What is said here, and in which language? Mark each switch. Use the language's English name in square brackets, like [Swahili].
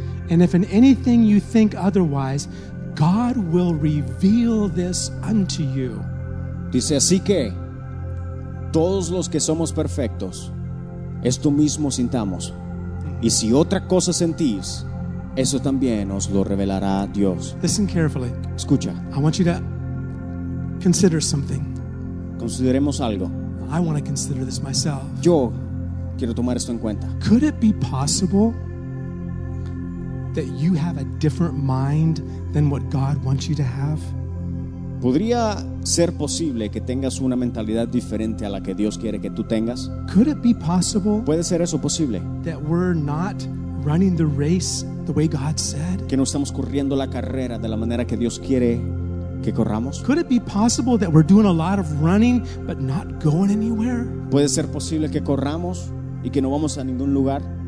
[English] And if in anything you think otherwise, God will reveal this unto you. [Spanish] Dice así que todos los que somos perfectos, esto mismo sintamos. Y si otra cosa sentís, eso también os lo revelará Dios. [English] Listen carefully. [Spanish] Escucha. [English] I want you to consider something. [Spanish] Consideremos algo. [English] I want to consider this myself. [Spanish] Yo Quiero tomar esto en cuenta. [English] Could it be possible that you have a different mind than what God wants you to have? [Spanish] ¿Podría ser posible que tengas una mentalidad diferente a la que Dios quiere que tú tengas? [English] Could it be possible? [Spanish] ¿Puede ser eso posible? [English] That we're not running the race the way God said? [Spanish] Que no estamos corriendo la carrera de la manera que Dios quiere que corramos? [English] Could it be possible that we're doing a lot of running but not going anywhere? [Spanish] ¿Puede ser posible que corramos y que no vamos a ningún lugar?